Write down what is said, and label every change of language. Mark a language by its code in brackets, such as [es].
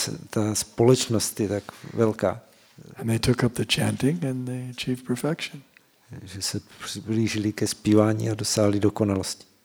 [cs] Ta společnost je tak velká. [en] And they took up the chanting and they achieved perfection. [cs] Že se přiblížili ke zpívání a dosáhli dokonalosti.